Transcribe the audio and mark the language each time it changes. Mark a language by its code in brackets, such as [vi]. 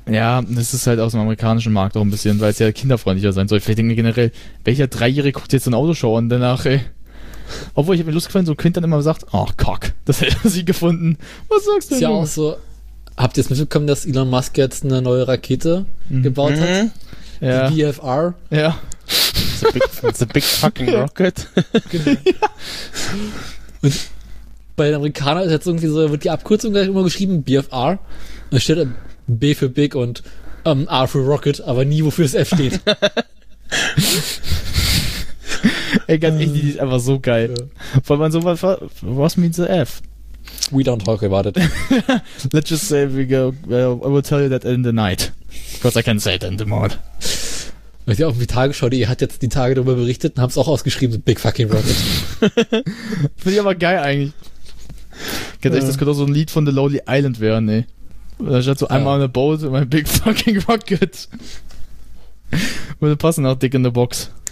[de] Ja, das ist halt aus dem amerikanischen Markt auch ein bisschen, weil es ja kinderfreundlicher sein soll. Vielleicht denke ich generell, welcher Dreijährige guckt jetzt so ein Autoshow an danach, ey? Obwohl, ich habe mir Lust gefallen, so ein Kind dann immer sagt, ach, oh, Cock, das hätte er sie gefunden. Was sagst du denn? Ist ja auch so, habt ihr jetzt mitbekommen, dass Elon Musk jetzt eine neue Rakete gebaut hat? Ja. Die BFR? Ja. [en] It's a big fucking rocket. [de] Genau. Und bei den Amerikanern ist jetzt irgendwie so, wird die Abkürzung gleich immer geschrieben, BFR. Da steht B für Big und R für Rocket, aber nie wofür es F steht. Ey, ganz echt, die ist einfach so geil. Weil man sowas, [en] was means the F? We don't talk about it. Let's just say we go, I will tell you that in the night. Because I can't say it in the morning. [de] Weil sie auch irgendwie Tagesschau.de hat jetzt die Tage darüber berichtet und haben es auch ausgeschrieben, so Big Fucking Rocket. Finde ich aber geil eigentlich. Ganz echt, das könnte auch so ein Lied von The Lonely Island werden, ey. Da steht so einmal [en] on a boat with my Big Fucking Rocket. [de] Würde passen auch dick [en] in the box.